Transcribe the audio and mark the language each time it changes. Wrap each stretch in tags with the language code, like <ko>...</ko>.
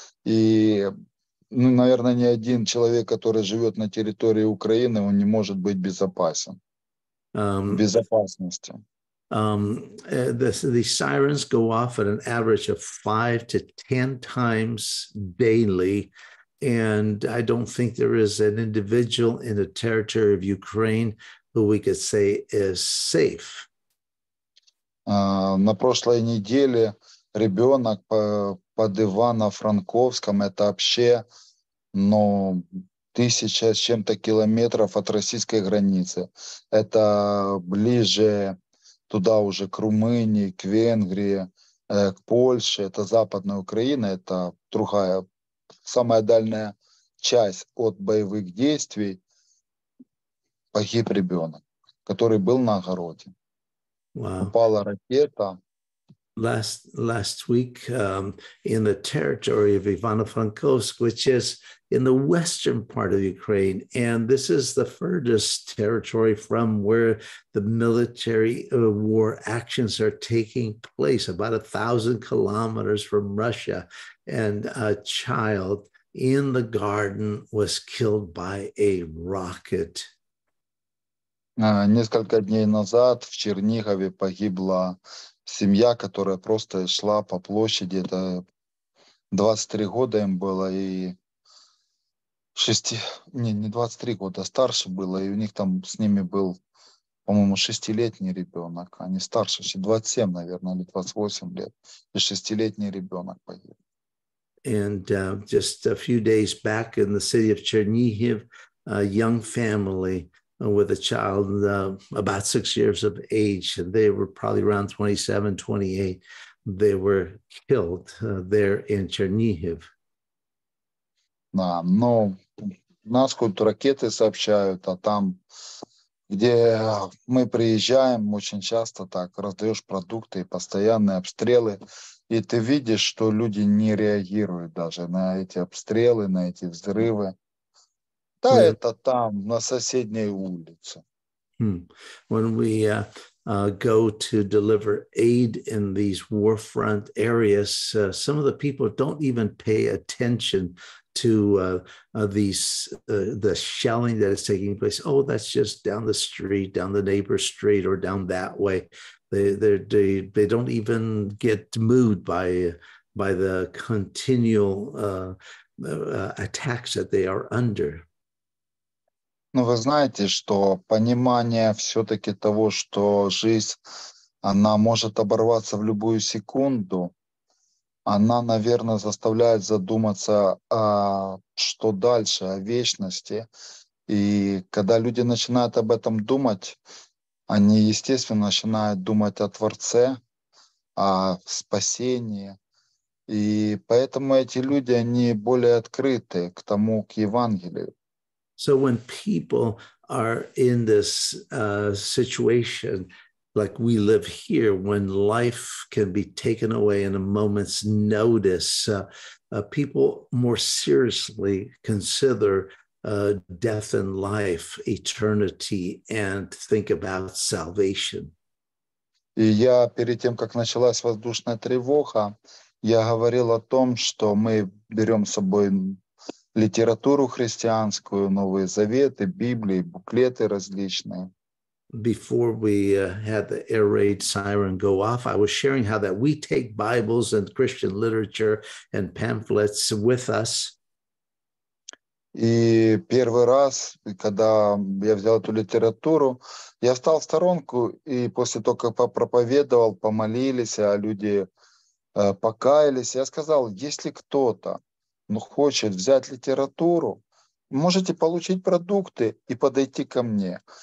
<ru>И, ну, наверное, ни один человек, который живет на территории Украины, он не может быть безопасен. Безопасности.</ru> <en>The sirens go off at an average of 5 to 10 times daily, and I don't think there is an individual in the territory of Ukraine who we could say is safe.</en> <ru>На прошлой неделе ребенок под Ивано-Франковском, это вообще, но 1000 с чем-то километров от российской границы. Это ближе туда уже к Румынии, к Венгрии, к Польше. Это западная Украина, это другая, самая дальняя часть от боевых действий. Погиб ребенок, который был на огороде.</ru> <en>Wow.</en> <ru>Упала ракета.</ru> <en>Last week in the territory of Ivano-Frankivsk, which is in the western part of Ukraine, and this is the furthest territory from where the military war actions are taking place, about 1,000 kilometers from Russia, and a child in the garden was killed by a rocket.</en> <ru>Несколько дней назад в Чернигове погибла семья, которая просто шла по площади, это 23 года им было, и 6, не 23 года, старше было, и у них там с ними был, по-моему, 6-летний ребенок, а не старше, 27, наверное, или 28 лет, и 6-летний ребенок погиб.</ru> <en>And just a few days back in the city of Chernihiv, a young family with a child about 6 years of age, and they were probably around 27, 28, they were killed there in Chernihiv.</en> <ru>Да, но нас хоть ракеты сообщают, а там, где мы приезжаем, очень часто так раздаешь продукты и постоянные обстрелы, и ты видишь, что люди не реагируют даже на эти обстрелы, на эти взрывы. Да,</ru> <en>yeah.</en> <ru>Это там, на соседней улице.</ru> <en>When we go to deliver aid in these war front areas, some of the people don't even pay attention to the shelling that is taking place. Oh, that's just down the street, down the neighbor's street, or down that way. They don't even get moved by the continual attacks that they are under.</en> <ru>Но вы знаете, что понимание все-таки того, что жизнь, она может оборваться в любую секунду, она, наверное, заставляет задуматься, что дальше, о вечности. И когда люди начинают об этом думать, они, естественно, начинают думать о Творце, о спасении. И поэтому эти люди, они более открыты к тому, к Евангелию.</ru> <en>So when people are in this situation, like we live here, when life can be taken away in a moment's notice, people more seriously consider death and life, eternity, and think about salvation.</en> <ru>И я перед тем, как началась воздушная тревога, я говорил о том, что мы берем с собой литературу христианскую, Новые Заветы, Библии, буклеты различные.</ru> <en>Before we had the air raid siren go off, I was sharing how that we take Bibles and Christian literature and pamphlets with us.</en> <ru>И первый раз, когда я взял эту литературу, я встал в сторонку, и после того, как попроповедовал, помолились, а люди покаялись, я сказал, есть ли кто-то, но хочет взять литературу, можете получить продукты и подойти ко мне.</ru>